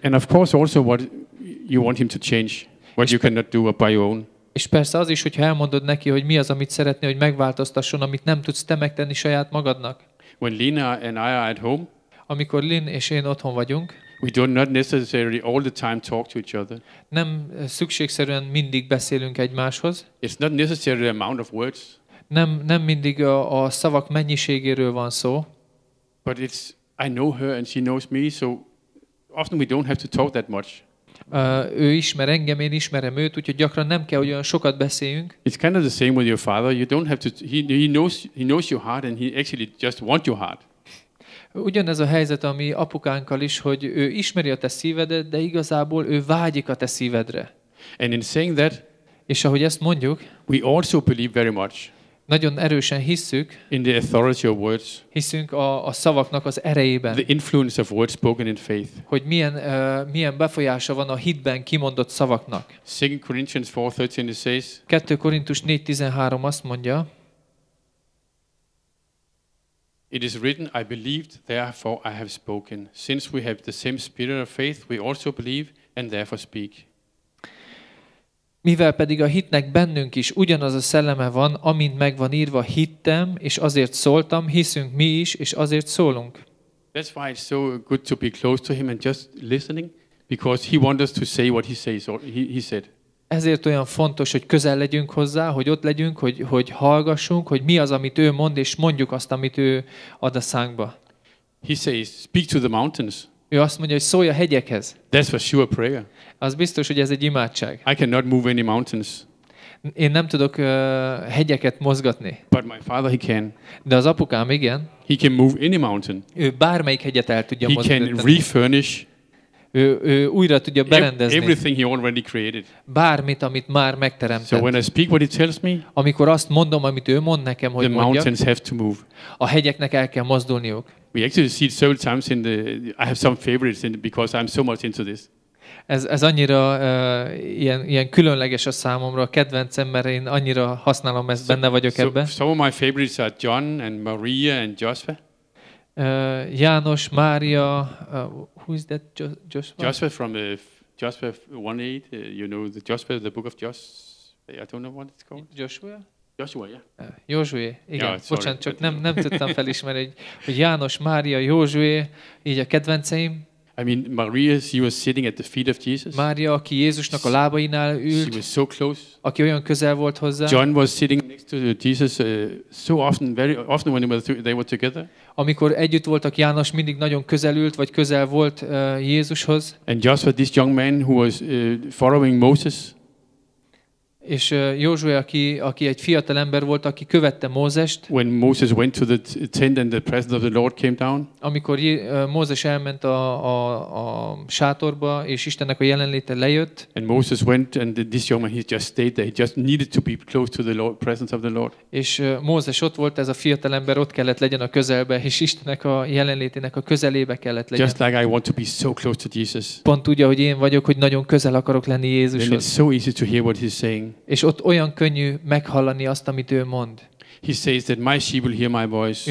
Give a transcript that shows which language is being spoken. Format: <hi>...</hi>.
<en>And of course also what you want him to change, what you cannot do by your own.</en> <hu>És persze az is, hogyha elmondod neki, hogy mi az, amit szeretné, hogy megváltoztasson, amit nem tudsz te megtenni saját magadnak.</hu> <en>When Lina and I are at home,</en> <hu>amikor Lin és én otthon vagyunk,</hu> <en>we do not necessarily all the time talk to each other.</en> <hu>Nem szükségszerűen mindig beszélünk egymáshoz.</hu> <en>It's not necessary the amount of words.</en> <hu>Nem mindig a szavak mennyiségéről van szó.</hu> <en>But it's I know her and she knows me, so often we don't have to talk that much.</en> <hu>Ő ismer engem, én ismerem őt, úgyhogy gyakran nem kell, hogy olyan sokat beszéljünk.</hu> <en>It's kind of the same with your father. You don't have to. He knows your heart and he actually just wants your heart.</en> <hu>Ugyanez a helyzet a mi apukánkkal is, hogy ő ismeri a te szívedet, de igazából ő vágyik a te szívedre.</hu> <en>And in saying that,</en> <hu>és ahogy ezt mondjuk,</hu> <en>we also believe very much.</en> <hu>Nagyon erősen hiszünk.</hu> <en>In the authority of words.</en> <hu>Hiszünk a szavaknak az erejében.</hu> <en>The influence of words spoken in faith.</en> <hu>Hogy milyen befolyása van a hitben kimondott szavaknak.</hu> <en>2 Corinthians 4:13</en> <hu>2 Korintus 4:13 azt mondja.</hu> <en>It is written, I believed, therefore I have spoken. Since we have the same spirit of faith, we also believe and therefore speak.</en> <hu>Mivel pedig a hitnek bennünk is ugyanaz a szelleme van, amint megvan írva, hittem, és azért szóltam, hiszünk mi is, és azért szólunk.</hu> <en>That's why it's so good to be close to him and just listening, because he wants us to say what he says or he said.</en> <hu>Ezért olyan fontos, hogy közel legyünk hozzá, hogy ott legyünk, hogy hallgassunk, hogy mi az, amit ő mond, és mondjuk azt, amit ő ad a szánkba.</hu> <en>He says, speak to the mountains.</en> <hu>Ő azt mondja, hogy szólj a hegyekhez.</hu> <en>That's for sure prayer.</en> <hu>Az biztos, hogy ez egy imádság.</hu> <en>I cannot move any mountains.</en> <hu>Én nem tudok hegyeket mozgatni.</hu> <en>But my father, he can.</en> <hu>De az apukám igen.</hu> <en>He can move any mountain.</en> <hu>Ő bármelyik hegyet el tudja mozgatni.</hu> <en>He can refurnish.</en> <hu>Ő újra tudja berendezni.</hu> <en>Everything he already created.</en> <hu>Bármit, amit már megteremtett.</hu> <en>So when I speak what he tells me,</en> <hu>amikor azt mondom, amit ő mond nekem, hogy mondjak,</hu> <en>the mountains have to move.</en> <hu>A hegyeknek el kell mozdulniuk.</hu> <en>We actually see it several times in the. I have some favorites in the, because I'm so much into this.</en> <hu>Ez annyira ilyen különleges a számomra, a kedvencem, mert én annyira használom ezt, benne vagyok ebben.</hu> <en>Some of my favorites are John and Maria and Joshua. János, Mária, who is that Joshua? Joshua from Joshua 1:8. You know the Joshua, the book of Joshua. I don't know what it's called. Joshua.</en> <hu>Józsué, igen. Bocsánat, csak nem tudtam felismerni, hogy János, Mária, Józsué, így a kedvenceim.</hu> <en>I mean, Maria, she was sitting at the feet of Jesus.</en> <hu>Mária, aki Jézusnak a lábainál ült.</hu> <en>She was so close.</en> <hu>Aki olyan közel volt hozzá.</hu> <en>John was sitting next to Jesus so often, very often when they were together.</en> <hu>Amikor együtt voltak, János mindig nagyon közel ült, vagy közel volt Jézushoz.</hu> <en>And Joshua, this young man who was following Moses.</en> <hu>És Józsué, aki egy fiatal ember volt, aki követte Mózest.</hu> <en>When Moses went to the tent and the presence of the Lord came down.</en> <hu>Amikor Mózes elment a sátorba, és Istennek a jelenléte lejött.</hu> <en>And Moses went and this young man, he just stayed there. He just needed to be close to the Lord, presence of the Lord.</en> <hu>És Mózes ott volt, ez a fiatal ember ott kellett legyen a közelbe, és Istennek a jelenlétének a közelébe kellett legyen.</hu> <en>Just like I want to be so close to Jesus.</en> <hu>Pont úgy, ahogy én vagyok, hogy nagyon közel akarok lenni Jézushoz.</hu> <en>And it's so easy to hear what he's saying.</en> <hu>És ott olyan könnyű meghallani azt, amit ő mond.</hu> <en>He says that my sheep will hear my voice.</en>